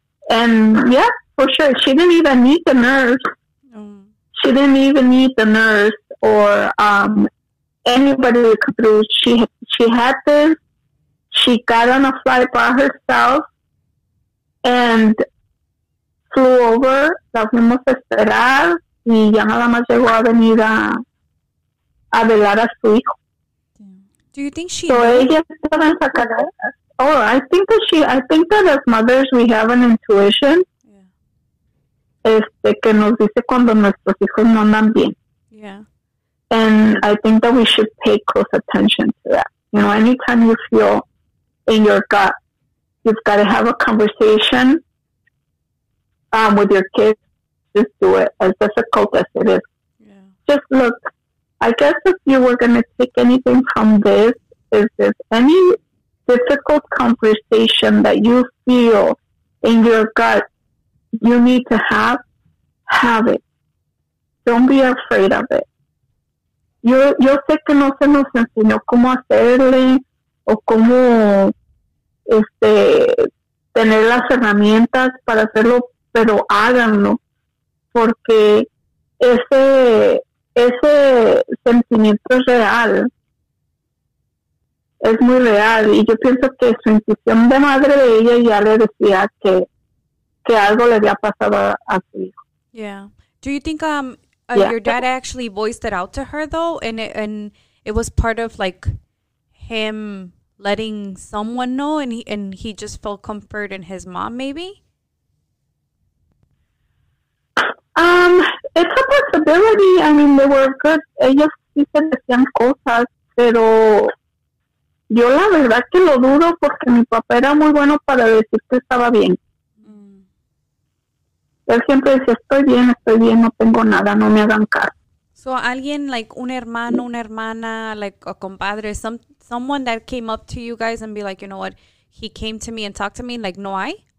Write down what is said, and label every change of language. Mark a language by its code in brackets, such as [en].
[en] And yeah, for sure. She didn't even need the nurse. She didn't even need the nurse or anybody to come through. She had this. She got on a flight by herself and flew over. [es] La fuimos a esperar. Y ya nada más llegó a venir a velar a su hijo. [en] Do you think she... [es] So ella estaba en Zacatecas. [en] Oh, I think that as mothers we have an intuition. [es] Que nos dice cuando nuestros hijos no andan bien. [en] Yeah. And I think that we should pay close attention to that. You know, anytime you feel in your gut, you've got to have a conversation with your kids. Just do it, as difficult as it is. Yeah. Just look, I guess if you were going to take anything from this, is this any difficult conversation that you feel in your gut you need to have it. Don't be afraid of it. [es] Yo sé que no se nos enseñó cómo hacerle o cómo tener las herramientas para hacerlo, pero háganlo, porque ese sentimiento es real. Es muy real. Y yo pienso que su intuición de madre de ella ya le decía que algo le había pasado a su hijo. [en] Yeah. Do you think yeah. Your dad actually voiced it out to her, though? And it was part of, like, him letting someone know, and he just felt comfort in his mom, maybe? It's a possibility. I mean, they were good. [es] Ellos sí se decían cosas, pero yo la verdad que lo dudo, porque mi papá era muy bueno para decir que estaba bien. Él siempre dice, estoy bien, no tengo nada, no me hagan caso. [en] So [es] alguien, [en] like [es] un hermano, una hermana, [en] like a compadre, someone that came up to you guys and be like, you know what, he came to me and talked to me, like, [es] no hay?